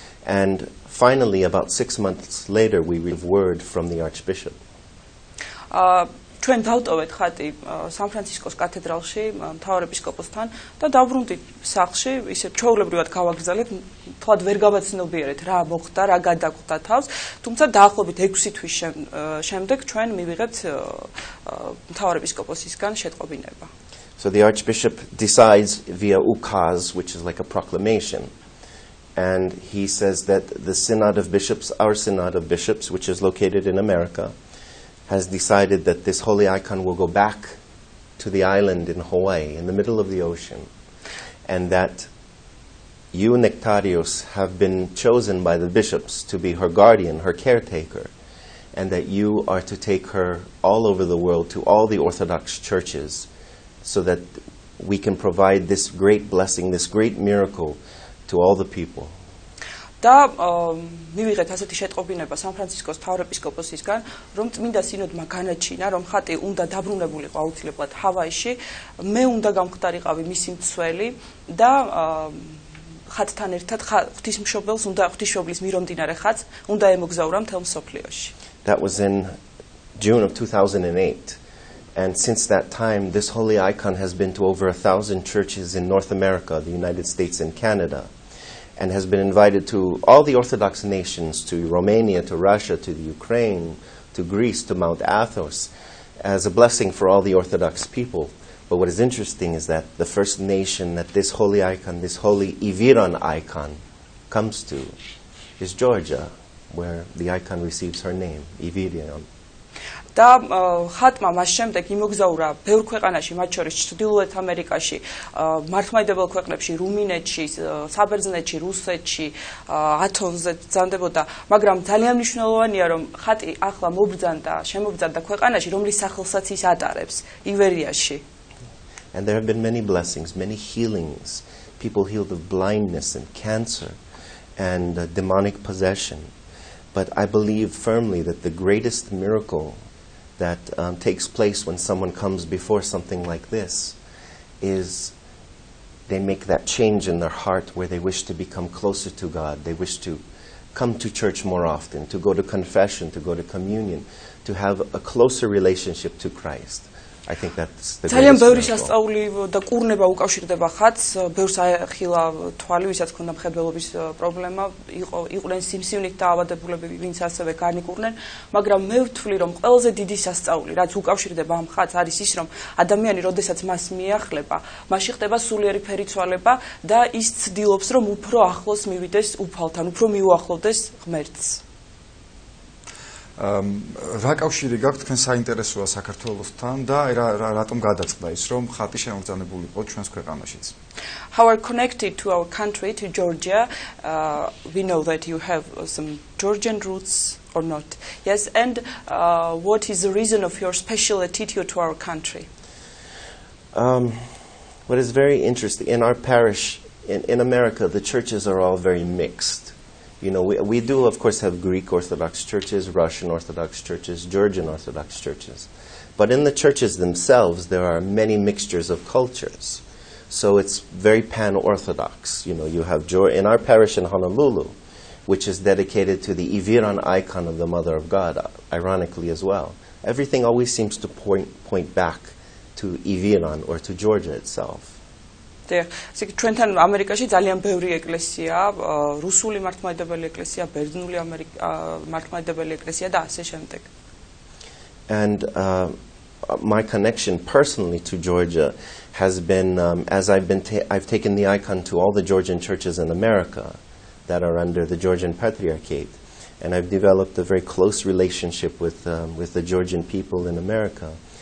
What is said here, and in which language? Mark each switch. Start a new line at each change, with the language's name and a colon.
English: And finally, about 6 months later, we received word from the Archbishop.
Georgian: ჩვენ დავტოვეთ ხატი სან ფრანცისკოს კათედრალში მთავარეპისკოპოსთან და დავბრუნდით სახლში, ისე ჩაოლებრივად გავაგრძელეთ, თვად ვერ გავაცნობიერეთ რა მოხდა, რა გადაგხვდა თავს, თუმცა დაახლოებით 6 თვის შემდეგ ჩვენ მივიღეთ მთავარეპისკოპოსისგან შეტყობინება.
English: So the archbishop decides via ukaz, which is like a proclamation, and he says that the synod of bishops, our synod of bishops, which is located in America, has decided that this holy icon will go back to the island in Hawaii, in the middle of the ocean, and that you, Nektarios, have been chosen by the bishops to be her guardian, her caretaker, and that you are to take her all over the world to all the Orthodox churches so that we can provide this great blessing, this great miracle to all the people.
Georgian: და მივიღეთ ასეთი შეტყობინება სან ფრანცისკოს მთავარეპისკოპოსისგან, რომ წმინდა სინოდმა განაჩინა, რომ ხატი უნდა დაბრუნებულიყო აუცილებლად ჰავაიში, მე უნდა გამხდარიყავი მისი მცველი და ხატთან ერთად ღვთისმშობელს უნდა ღვთისმშობლის მირონმდინარე ხატს უნდა ემოგზაურა მთელ მსოფლიოში.
English: That was in June of 2008, and since that time this holy icon has been to over 1,000 churches in North America, the United States and Canada, and has been invited to all the Orthodox nations, to Romania, to Russia, to the Ukraine, to Greece, to Mount Athos, as a blessing for all the Orthodox people. But what is interesting is that the first nation that this holy icon, this holy Iviron icon, comes to is Georgia, where the icon receives her name, Ivirion.
Georgian: და ხატმა მას შემდეგ იმოგზაურა ბევრ ქვეყანაში, მათ შორის ჩრდილოეთ ამერიკაში, მართლმადიდებელ ქვეყნებში, რუმინეთში, საბერძნეთში, რუსეთში, ათონზე ბრძანდებოდა, მაგრამ ძალიან მნიშვნელოვანია, რომ ხატი ახლა მობრძანდა, შემობრძანდა ქვეყანაში, რომლის სახელსაც ის ატარებს, ივერიაში.
English: And there have been many blessings, many healings. People healed of blindness and cancer and demonic possession. But I believe firmly that the greatest miracle that takes place when someone comes before something like this is they make that change in their heart where they wish to become closer to God, they wish to come to church more often, to go to confession, to go to communion, to have a closer relationship to Christ. I think that's the
Georgian: ძალიან ბევრი შესწავლი და კურნება უკავშირდება ხატს, ბევრს აეხილა თვალი, ვისაც ქონდა მხედველობის პრობლემა, იყვნენ სიმსივნით დაავადებულები, ვინც ასევე განიკურნენ, მაგრამ მე ვთვლი, რომ ყველაზე დიდი შესწავლი, რაც უკავშირდება ამ ხატს, არის ის, რომ ადამიანი, როდესაც მას მიახლება, მასში ხდება სულიერი ფერიცვალება და ის ცდილობს, რომ უფრო ახლოს მივიდეს უფალთან, უფრო მიუახლოვდეს ღმერთს. რა კავშირი გაქვთ თქვენ საინტერესოა საქართველოსთან და რატომ გადაწყდა ის რომ ხატი შემოგზანებულიყო ჩვენს ქვეყანაშიც?
English: How are connected to our country, to Georgia? We know that you have some Georgian roots or not. Yes, and what is the reason of your special attitude to our country? What is very interesting in our parish in America, the churches are all very mixed. You know, we do, of course, have Greek Orthodox churches, Russian Orthodox churches, Georgian Orthodox churches. But in the churches themselves, there are many mixtures of cultures. So it's very pan-Orthodox. You know, you have in our parish in Honolulu, which is dedicated to the Iviron icon of the Mother of God, ironically as well. Everything always seems to point back to Iviron or to Georgia itself.
Georgian: ეს ჩვენთან ამერიკაში ძალიან ბევრი ეკლესიაა, რუსული მართლმადიდებელი ეკლესია, ბერძნული მართლმადიდებელი ეკლესია და ასე შემდეგ.
English: And my connection personally to Georgia has been as I've taken the icon to all the Georgian churches in America that are under the Georgian Patriarchate, and I've developed a very close relationship with the Georgian people in America.